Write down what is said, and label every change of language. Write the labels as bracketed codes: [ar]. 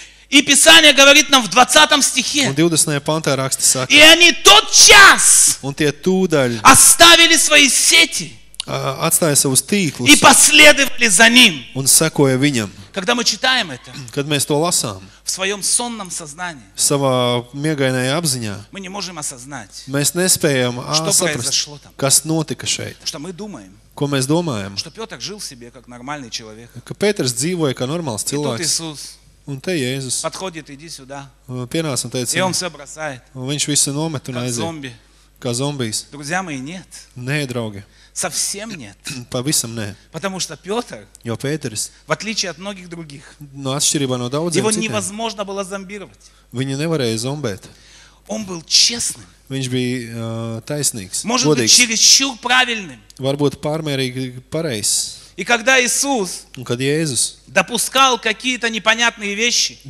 [ru] И Писание говорит нам в 20 стихе. [lv] Un 20. Pantā raksti saka. [ru] И они тот час. [lv] Un tie tūdaļ. [ru] Оставили свои сети. [lv] Atstāja savus tīklus. [ru] И последовали за ним. [lv] Un sekoja viņam. [ru] Когда мы читаем это. [lv] Kad mēs to lasām. [ru] В своём сонном сознании. [lv] Savā miegainajā apziņā. [ru] Мы не можем осознать. [lv] Mēs nespējam saprast, kas notika šeit. [ru] Что мы думаем? [lv] Ko mēs domājam? [ru] Что Пётр жил себе как нормальный человек. [lv] Ka Pēters dzīvoja kā normāls cilvēks. Un te Jēzus. [ru] Подходит, иди сюда. [lv] Pienās un teica. [ru] И он всё бросает. [lv] Un viņš visu nomet un aiziet. Kā zombi. Kā zombijs. [ru] Друзья мои, нет. [lv] Nē, draugi. [ru] Совсем нет. [lv] Pavisam nē. [ru] Потому что Пётр. [lv] Jo Pēters. [ru] В отличие от многих других. [lv] Но отшириба но даудзе. [ru] Его невозможно было зомбировать. [lv] Viņu nevarēja zombēt. [ru] Он был честным. [lv] Viņš bija taisnīgs, [ru] Может [lv] godīgs. [ru] Быть, чересчур правильным. [lv] Varbūt pārmērīgi pareizs. [ru] И когда Иисус [lv] un kad Jēzus [ru] допускал какие-то непонятные вещи,